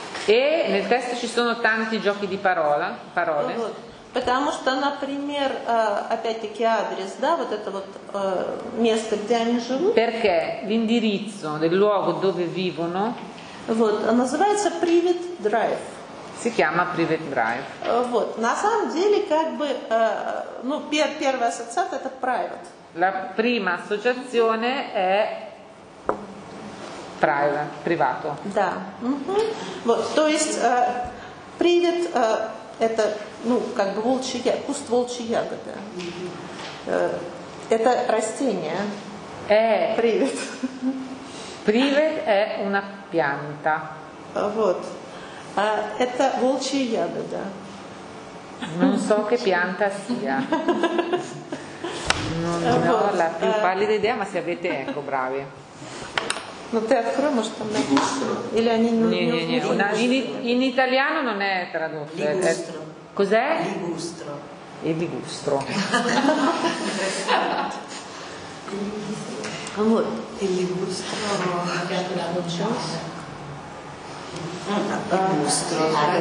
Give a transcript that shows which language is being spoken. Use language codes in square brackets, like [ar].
[it] E nel testo ci sono tanti giochi di parola, parole. [ru] Вот. Потому что, например, опять-таки адрес, да, вот это вот место, где они живут. [it] Perché l'indirizzo del luogo dove vivono. [ru] Вот, называется Privet Drive. [it] Si chiama Privet Drive. [ru] Вот, на самом деле, как бы, ну, первая ассоциация это private. [it] La prima associazione è private, privato. [ru] Да. Угу. Вот, то есть Privet это, ну, как бы волчья ягода, куст волчьей ягоды. Это растение. Привет. [it] Привет è una pianta. [ru] Вот. Это волчья ягода. [it] Non so che pianta sia. Non ho la più pallida idea, ma se avete, ecco, bravi. [ru] Ну ты открой, может там написано. Или они не [it] In italiano non è tradotto. Cos'è? Ligustro. E ligustro. Il ligustro